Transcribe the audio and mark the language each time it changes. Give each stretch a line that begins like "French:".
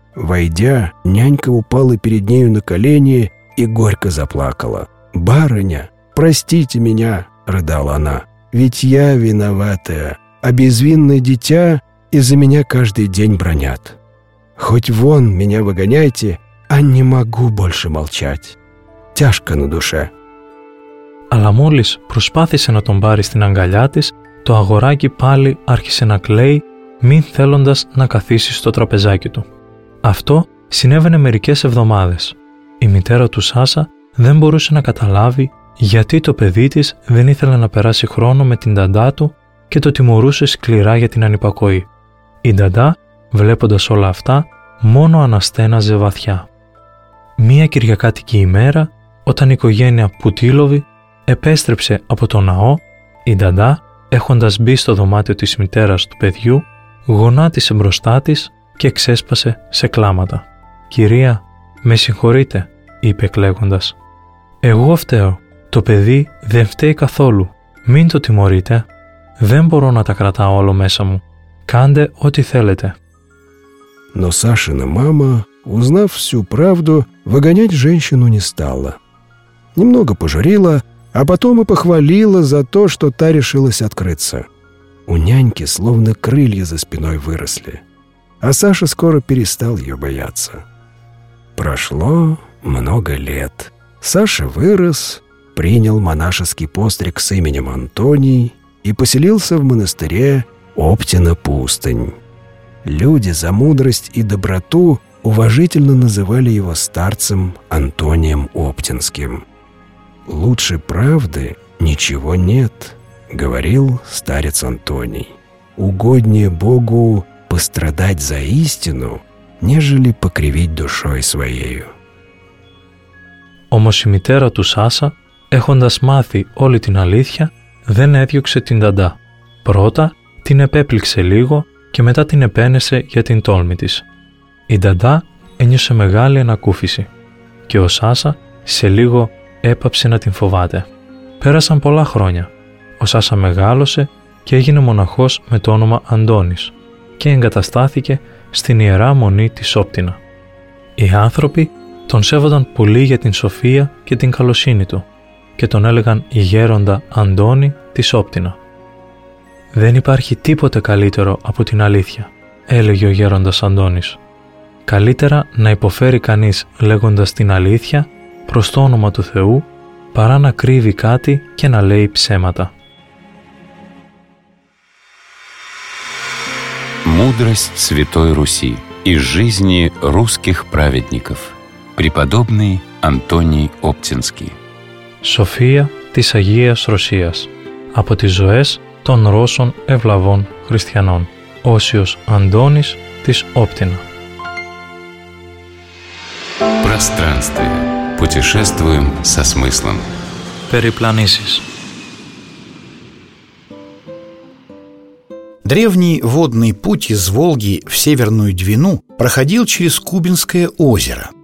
Russian: Войдя, нянька упала перед нею на колени и горько заплакала. «Барыня, простите меня!» – рыдала она. «Ведь я виноватая, а безвинное дитя из-за меня каждый день бронят. Хоть вон меня выгоняйте, а не могу больше молчать. Тяжко на душе».
Greek: Αλλά μόλις προσπάθησε να τον πάρει στην αγκαλιά της, το αγοράκι πάλι άρχισε να κλαίει, μην θέλοντας να καθίσει στο τραπεζάκι του. Αυτό συνέβαινε μερικές εβδομάδες. Η μητέρα του Σάσα δεν μπορούσε να καταλάβει γιατί το παιδί της δεν ήθελε να περάσει χρόνο με την Ταντά του και το τιμωρούσε σκληρά για την ανυπακοή. Η Ταντά, βλέποντας όλα αυτά, μόνο αναστέναζε βαθιά. Μία κυριακάτικη ημέρα, όταν η οικογένεια Πουτίλοβη επέστρεψε από το ναό, η Ταντά, έχοντας μπει στο δωμάτιο της μητέρας του παιδιού, γονάτισε μπροστά της και ξέσπασε σε κλάματα. «Κυρία, με συγχωρείτε», είπε κλαίγοντας. «Εγώ φταίω. Το παιδί δεν φταίει καθόλου. Μην το τιμωρείτε. Δεν μπορώ να τα κρατάω όλο μέσα μου. Κάντε ό,τι θέλετε».
Russian: Но Сашина мама, узнав всю правду, выгонять женщину не стала. Немного пожурила, а потом и похвалила за то, что та решилась открыться. У няньки словно крылья за спиной выросли, а Саша скоро перестал ее бояться. Прошло много лет. Саша вырос, принял монашеский постриг с именем Антоний и поселился в монастыре Оптина-Пустынь. Люди за мудрость и доброту уважительно называли его старцем Антонием Оптинским. «Лучше правды ничего нет», — говорил старец Антоний. «Угоднее Богу пострадать за истину, нежели покривить душой своею».
Greek: Όμως η μητέρα του Σάσα, έχοντας μάθει όλη την αλήθεια, δεν έδιωξε την Ταντά. Πρώτα την επέπληξε λίγο και μετά την επένεσε για την τόλμη της. Η Ταντά ένιωσε μεγάλη ανακούφιση και ο Σάσα σε λίγο έπαψε να την φοβάται. Πέρασαν πολλά χρόνια. Ο Σάσα μεγάλωσε και έγινε μοναχός με το όνομα Αντώνης και εγκαταστάθηκε στην Ιερά Μονή της Όπτινα. Οι άνθρωποι τον σέβονταν πολύ για την σοφία και την καλοσύνη του και τον έλεγαν γέροντα Αντώνη της Όπτινα. «Δεν υπάρχει τίποτε καλύτερο από την αλήθεια», έλεγε ο γέροντας Αντώνης. «Καλύτερα να υποφέρει κανείς λέγοντας την αλήθεια προς το όνομα του Θεού, παρά να κρύβει κάτι και να λέει ψέματα».
Russian: Мудрость Святой Руси из жизни русских праведников. Преподобный Антоний Оптинский.
Greek: Σοφία της Αγίας Ρωσίας. Από τις ζωές των Ρώσων ευλαβών χριστιανών. Όσιος Αντώνης της Όπτινα.
Russian: Пространствие. Путешествуем со смыслом.
Greek: Перипланисис.
Russian: Древний водный путь из Волги в Северную Двину проходил через Кубинское озеро.